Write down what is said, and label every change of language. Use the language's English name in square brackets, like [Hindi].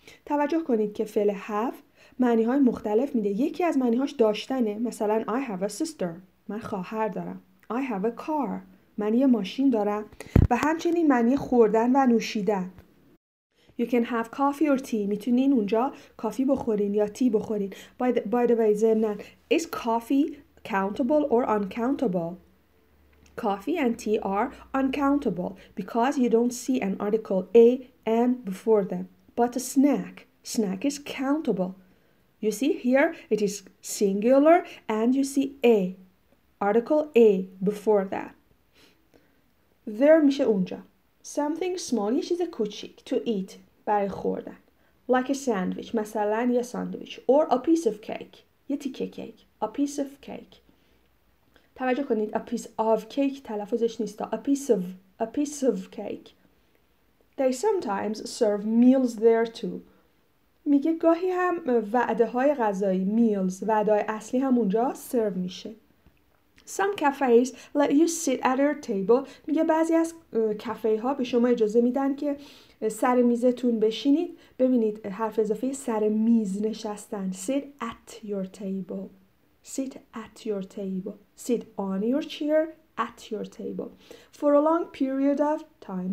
[Persian] توجه کنید که فعل have معنی های مختلف میده. یکی از معنی هاش داشتنه. مثلا [English] I have a sister. [Persian] من خواهر دارم. [English] I have a car. [Persian] من یه ماشین دارم. و همچنین معنی خوردن و نوشیدن. [English] You can have coffee or tea. [Persian] میتونین اونجا کافی بخورین یا تی بخورین. [English] By the way, [Persian] ضمناً [English] is coffee countable or uncountable? Coffee and tea are uncountable because you don't see an article a and before them. But a snack. Snack is countable. You see here it is singular and you see a. Article A before that. There [Persian] میشه اونجا. [English] Something small, [Persian] یه چیز کوچیک. [English] To eat, [Persian] برای خوردن. [English] Like a sandwich, [Persian] مثلا یه ساندویچ. [English] Or a piece of cake, [Persian] یه تیکه کیک. [English] A piece of cake. [Persian] توجه کنید, [English] a piece of cake [Persian] تلفظش نیست. [English] A piece of cake. They sometimes serve meals there too. [Persian] میگه گاهی هم وعده های غذایی, [English] meals, [Persian] وعده های اصلی هم اونجا سرو میشه. [English] Some cafes let you sit at your table. [Persian] میگه بعضی از کافه ها به شما اجازه میدن که سر میزتون بشینید. ببینید حرف اضافه سر میز نشستن. [English] Sit at your table. Sit at your table. Sit on your chair at your table. For a long period of time.